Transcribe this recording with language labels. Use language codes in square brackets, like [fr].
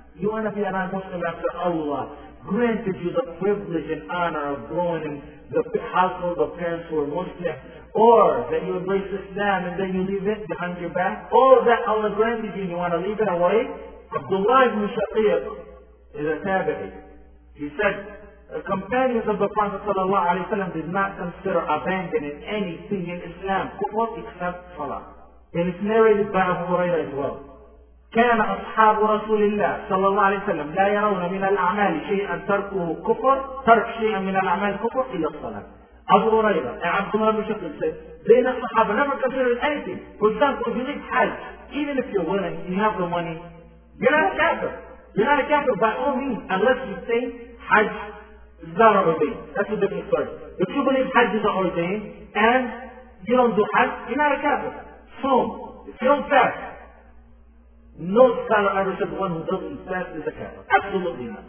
[en] You want to be a non-Muslim after Allah granted you the privilege and honor of growing in the household of parents who are Muslim, or that you embrace Islam and then you leave it behind your back, all that Allah granted you and you want to leave it away? Abdullah ibn Shaqiq is a tabi'i. He said, the companions of the Prophet ﷺ did not consider abandoning anything in Islam except Salah. And it's narrated by Abu Hurairah as well. [ar] كان أصحاب رسول الله صلى الله عليه وسلم لا يرون من الأعمال شيئا تركه كفر ترك شيئا من الأعمال كفر إلا الصلاة. أبو هريرة عبد الله بن شقيق [en] said, [ar] بين الصحابة [en] never considered anything. For example, if you need help, even if you're willing, you have the money, you're not a kafir. You're not a kafir by all means, unless you say Hajj is not ordained. That's a different story. If you believe Hajj is ordained and you don't do Hajj, you're not a kafir. So, if you don't fast, no scholar ever said one who doesn't fast is a kafir. Absolutely not.